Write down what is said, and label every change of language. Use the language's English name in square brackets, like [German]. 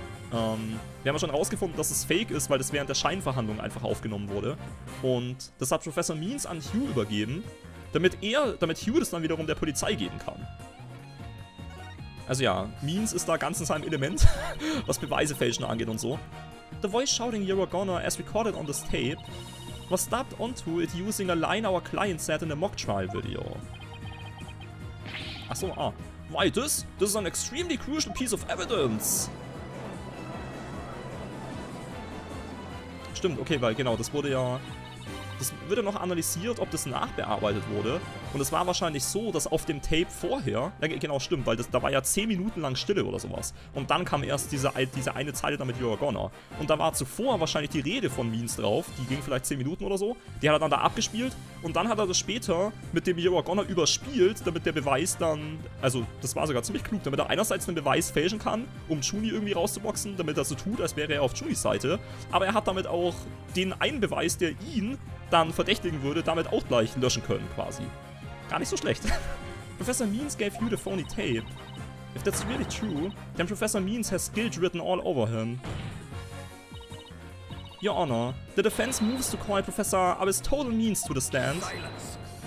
[German] Wir haben schon herausgefunden, dass es fake ist, weil das während der Scheinverhandlung einfach aufgenommen wurde. Und das hat Professor Means an Hugh übergeben, damit Hugh das dann wiederum der Polizei geben kann. Also ja, Means ist da ganz in seinem Element, was Beweise fälschen angeht und so. [English] The voice shouting you're a goner as recorded on this tape was dubbed onto it using a line our client said in a mock trial video. [German] Achso, ah. [English] Why this? This is an extremely crucial piece of evidence. [German] Stimmt, okay, weil genau, das wurde ja... Das wird ja noch analysiert, ob das nachbearbeitet wurde. Und es war wahrscheinlich so, dass auf dem Tape vorher... Ja, genau, stimmt, weil da war ja 10 Minuten lang Stille oder sowas. Und dann kam erst diese eine Zeile da mit [English] You're a Goner. [German] Und da war zuvor wahrscheinlich die Rede von Means drauf. Die ging vielleicht 10 Minuten oder so. Die hat er dann da abgespielt. Und dann hat er das später mit dem [English] You're a Goner [German] überspielt, damit der Beweis dann... Also, das war sogar ziemlich klug, damit er einerseits den Beweis fälschen kann, um Juni irgendwie rauszuboxen, damit er so tut, als wäre er auf Junis Seite. Aber er hat damit auch den einen Beweis, der ihn... dann verdächtigen würde, damit auch gleich löschen können, quasi. Gar nicht so schlecht. [English] Professor Means gave you the phony tape. If that's really true, then Professor Means has guilt written all over him. Your Honor, the defense moves to call Professor Abbe's total means to the stand. Silence.